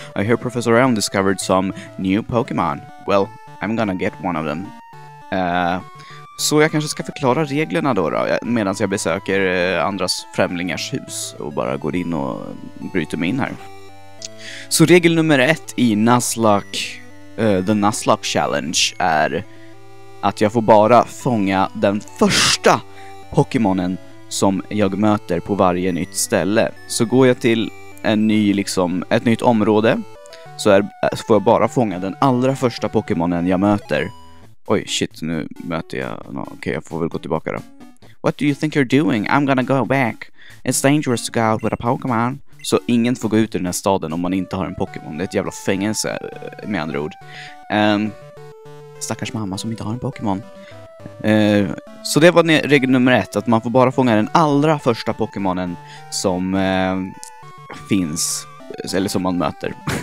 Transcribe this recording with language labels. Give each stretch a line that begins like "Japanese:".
English: I hear Professor Elm discovered some new Pokemon. Well, I'm gonna get one of them.
Swedish: Så jag kanske ska förklara reglerna då. Medan jag besöker andras främlingars hus. Och bara går in och bryter mig in här. Så regel nummer 1 i Nuzlocke, The Nuzlocke Challenge, är att jag får bara fånga den första Pokémonen som jag möter på varje nytt ställe. Så går jag till en ny, liksom, ett nytt område, så får jag bara fånga den allra första Pokémonen jag möter. Oj, shit, nu möter jag... Okej, jag får väl gå tillbaka då.
English: What do you think you're doing? I'm gonna go back. It's dangerous to go out with a Pokémon.
Swedish: Så ingen får gå ut i den här staden om man inte har en Pokémon. Det är ett jävla fängelse, med andra ord. Stackars mamma som inte har en Pokémon. Så det var regel nummer ett, att man får bara fånga den allra första Pokémonen som finns, eller som man möter.